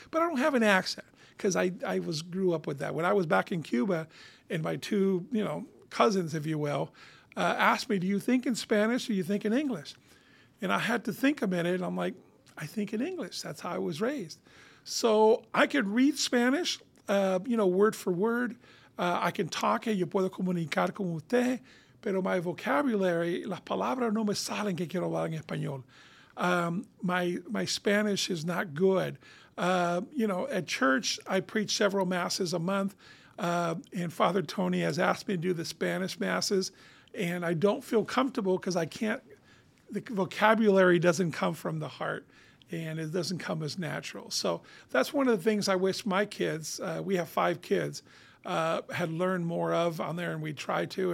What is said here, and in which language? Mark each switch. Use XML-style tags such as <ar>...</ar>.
<en>But I don't have an accent because I grew up with that. When I was back in Cuba and my two, cousins, if you will, asked me, do you think in Spanish or you think in English? And I had to think a minute. And I'm like, I think in English. That's how I was raised. So I could read Spanish, word for word. I can talk,</en> <es>yo puedo comunicar con usted, pero</es> <en>my vocabulary,</en> <es>las palabras no me salen que quiero hablar en español.</es> <en>My Spanish is not good. At church, I preach several masses a month, and Father Tony has asked me to do the Spanish masses, and I don't feel comfortable because the vocabulary doesn't come from the heart. And it doesn't come as natural. So that's one of the things I wish my kids, we have five kids, had learned more of on there. And we try to.</en>